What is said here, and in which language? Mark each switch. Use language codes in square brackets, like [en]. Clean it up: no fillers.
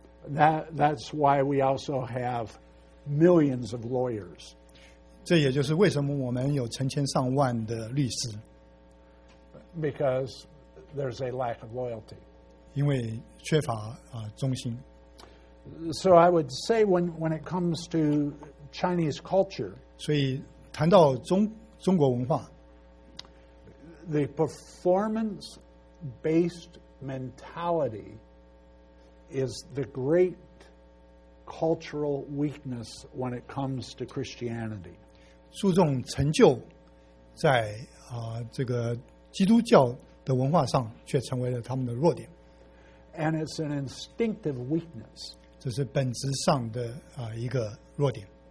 [en] That's why we also have millions of lawyers. [zh] 这也就是为什么我们有成千上万的律师。 [en] Because there's a lack of loyalty. [zh] 因为缺乏忠心。 [en] So I would say when it comes to Chinese culture. [zh] 所以谈到中国文化, [en] the performance based mentality is the great cultural weakness when it comes to Christianity. [zh] 注重成就在这个基督教的文化上却成为了他们的弱点。 [en] And it's an instinctive weakness. [zh] 这是本质上的一个弱点。